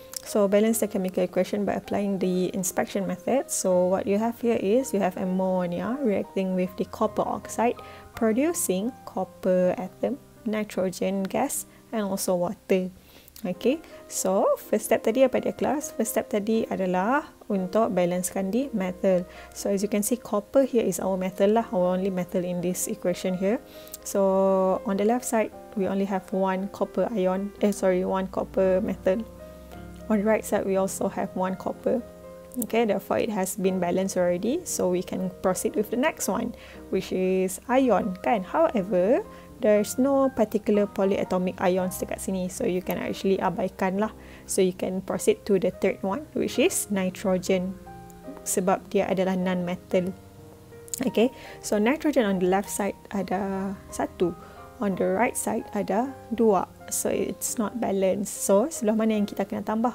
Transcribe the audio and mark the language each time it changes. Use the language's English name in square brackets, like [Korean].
[English] So balance the chemical equation by applying the inspection method. So what you have here is you have ammonia reacting with the copper oxide, producing copper atom, nitrogen gas, and also water. [Malay] Okay, so first step tadi apa dia kelas? First step tadi adalah untuk balancekan di metal. [English] So as you can see, copper here is our metal lah, our only metal in this equation here. So on the left side, we only have one copper metal. On the right side, we also have one copper. Okay, therefore it has been balanced already. So we can proceed with the next one, which is ion, kan? However, there's no particular polyatomic ions [Malay] dekat sini. [English] So you can actually abaikan lah. So you can proceed to the third one, which is nitrogen. [Malay] Sebab dia adalah non-metal. [English] Okay, so nitrogen on the left side [Malay] ada satu. [English] On the right side [Malay] ada dua. [English] So it's not balanced. [Malay] So sebelah mana yang kita kena tambah?